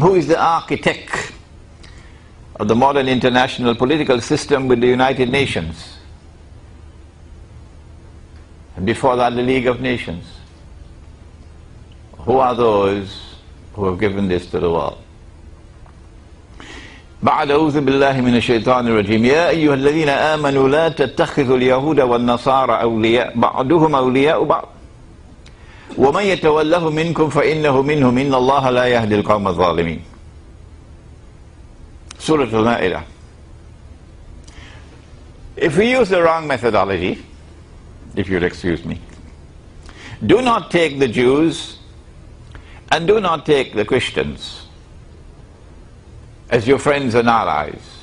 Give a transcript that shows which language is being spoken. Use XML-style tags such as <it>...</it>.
<en>Who is the architect of the modern international political system with the United Nations? And before that, the League of Nations. Who are those who have given this to the world?</en> <ar>بعد أعوذ بالله من الشيطان الرجيم يا أيها الذين آمنوا لا تتخذوا اليهود والنصارى أولياء بعضهم أولياء بعض ومن يتوله منكم فإنه منهم إن الله لا يهدي القوم الظالمين. سورة المائدة.</ar> <en>If we use the wrong methodology, if you'll excuse me, do not take the Jews and do not take the Christians as your friends and allies.</en>